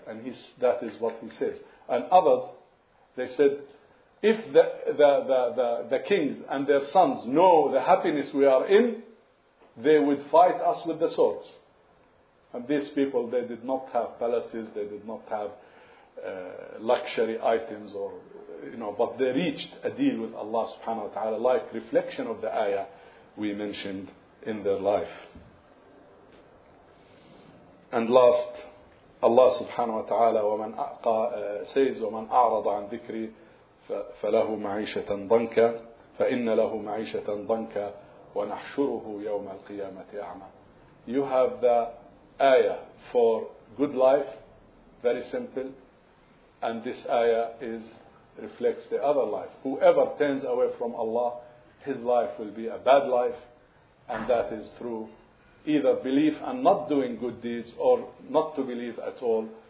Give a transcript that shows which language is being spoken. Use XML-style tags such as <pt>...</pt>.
<en>And that is what he says. And others, they said, if the kings and their sons know the happiness we are in, they would fight us with the swords. And these people, they did not have palaces, they did not have luxury items, or but they reached a deal with Allah subhanahu wa ta'ala, like reflection of the ayah we mentioned in their life. And last, Allah subhanahu wa ta'ala says,</en> <ar>وَمَنْ أَعْرَضَ عَنْ ذِكْرِي فَلَهُ مَعِيشَةً ضَنْكَ فَإِنَّ لَهُ مَعِيشَةً ضَنْكَ وَنَحْشُرُهُ يَوْمَ الْقِيَامَةِ أَعْمَى.</ar> <en>You have the ayah for good life, very simple, and this ayah reflects the other life. Whoever turns away from Allah, his life will be a bad life, and that is through either belief and not doing good deeds, or not to believe at all.</en>